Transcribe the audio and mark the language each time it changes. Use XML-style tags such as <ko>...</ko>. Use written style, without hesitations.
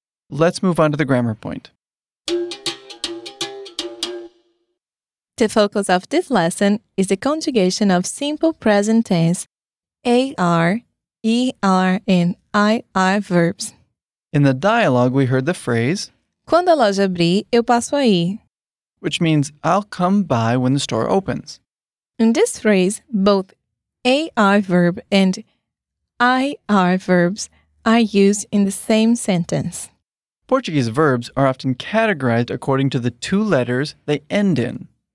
<en>Let's move on to the grammar point. The focus of this lesson is the conjugation of simple present tense, AR, ER, and IR verbs. In the dialogue, we heard the phrase,</en> <pt>quando a loja abrir, eu passo aí.</pt> <en>Which means, I'll come by when the store opens. In this phrase, both AR verb and IR verbs are used in the same sentence. Portuguese verbs are often categorized according to the two letters they end in.</en>